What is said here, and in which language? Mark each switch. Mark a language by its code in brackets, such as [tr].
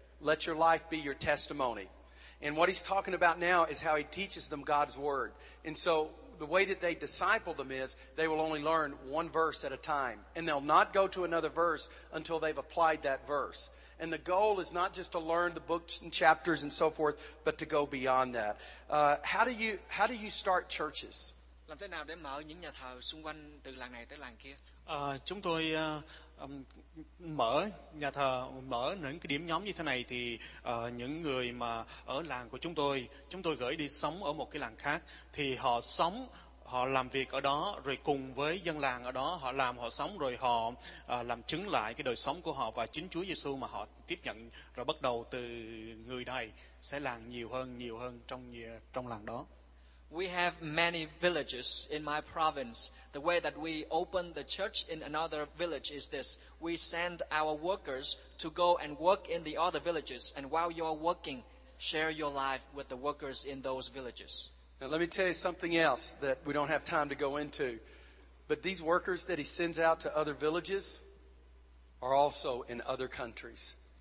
[en] Let your life be your testimony. And what he's talking about now is how he teaches them God's word. And so the way that they disciple them is they will only learn one verse at a time. And they'll not go to another verse until they've applied that verse. And the goal is not just to learn the books and chapters and so forth, but to go beyond that. How do you start churches? [vi] Làm thế nào để mở những nhà thờ xung quanh từ làng này tới làng kia? Chúng tôi mở nhà thờ, mở những cái điểm nhóm như thế này thì những người mà ở làng của chúng tôi gửi đi sống ở một cái làng khác, thì họ sống, họ làm việc ở đó, rồi cùng với dân làng ở đó, họ làm, họ sống, rồi họ làm chứng lại cái đời sống của họ và chính Chúa Giê-xu mà họ tiếp nhận, rồi bắt đầu từ người này sẽ làng nhiều hơn trong làng đó. [en] We have many villages in my province. The way that we open the church in another village is this. We send our workers to go and work in the other villages, and while you're working, share your life with the workers in those villages. Now let me tell you something else that we don't have time to go into. But these workers that he sends out to other villages are also in other countries.